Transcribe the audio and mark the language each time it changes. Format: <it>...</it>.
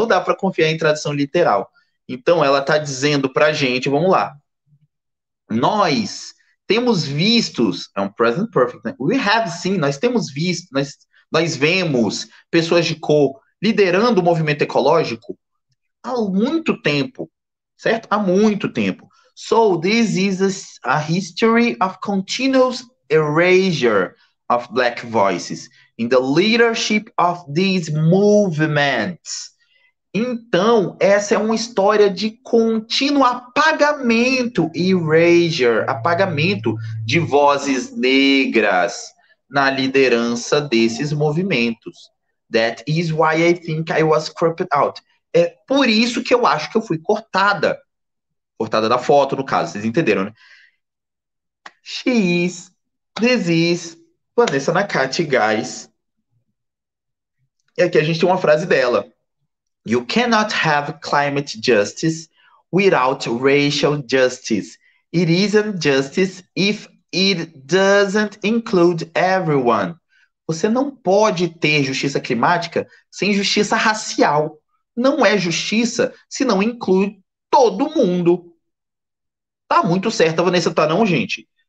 <pt>Não dá para confiar em tradução literal. Então ela tá dizendo pra gente, vamos lá. Nós temos vistos, é um present perfect, né?</pt> <en>We have seen,</en> <pt>nós temos visto, nós vemos pessoas de cor liderando o movimento ecológico há muito tempo, certo? Há muito tempo.</pt> <en>So this is a history of continuous erasure of black voices in the leadership of these movements.</en> <pt>Então, essa é uma história de contínuo apagamento, erasure, apagamento de vozes negras na liderança desses movimentos.</pt> <en>That is why I think I was cropped out.</en> <pt>É por isso que eu acho que eu fui cortada. Cortada da foto, no caso, vocês entenderam, né?</pt> <en>She is, this is, Vanessa Nakati, guys.</en> <pt>E aqui a gente tem uma frase dela.</pt> <en>You cannot have climate justice without racial justice. It isn't justice if it doesn't include everyone.</en> <pt>Você não pode ter justiça climática sem justiça racial. Não é justiça se não inclui todo mundo. Tá muito certa, Vanessa, tá não, gente?</pt>